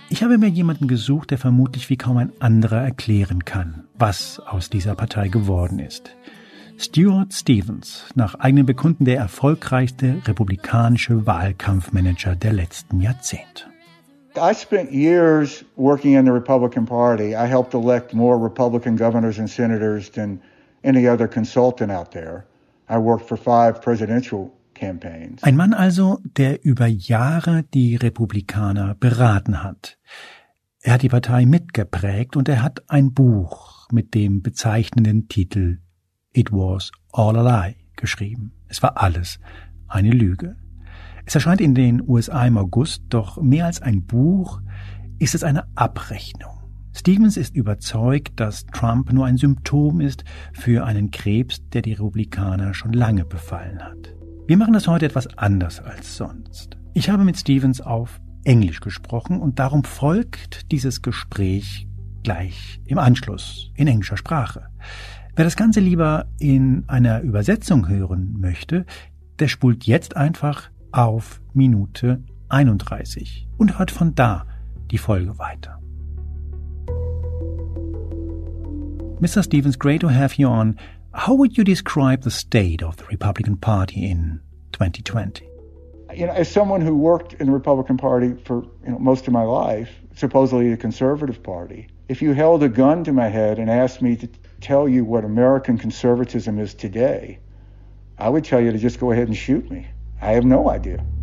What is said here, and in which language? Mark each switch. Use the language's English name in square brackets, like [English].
[German] Ich habe mir jemanden gesucht, der vermutlich wie kaum ein anderer erklären kann, was aus dieser Partei geworden ist. Stuart Stevens, nach eigenem Bekunden der erfolgreichste republikanische Wahlkampfmanager der letzten Jahrzehnte. [English] I spent years working in the Republican Party. I helped elect more Republican governors and senators than any other consultant out there. I worked for 5 presidential campaigns. [German] Ein Mann also, der über Jahre die Republikaner beraten hat. Er hat die Partei mitgeprägt und er hat ein Buch mit dem bezeichnenden Titel It was all a lie, geschrieben. Es war alles eine Lüge. Es erscheint in den USA im August, doch mehr als ein Buch ist es eine Abrechnung. Stevens ist überzeugt, dass Trump nur ein Symptom ist für einen Krebs, der die Republikaner schon lange befallen hat. Wir machen das heute etwas anders als sonst. Ich habe mit Stevens auf Englisch gesprochen und darum folgt dieses Gespräch gleich im Anschluss in englischer Sprache. Wer das Ganze lieber in einer Übersetzung hören möchte, der spult jetzt einfach auf Minute 31 und hört von da die Folge weiter. [English] Mr. Stevens, great to have you on. How would you describe the state of the Republican Party in 2020? You know, as someone who worked in the Republican Party for, you know, most of my life, supposedly the conservative party, if you held a gun to my head and asked me to tell you what American conservatism is today, I would tell you to just go ahead and shoot me. I have no idea.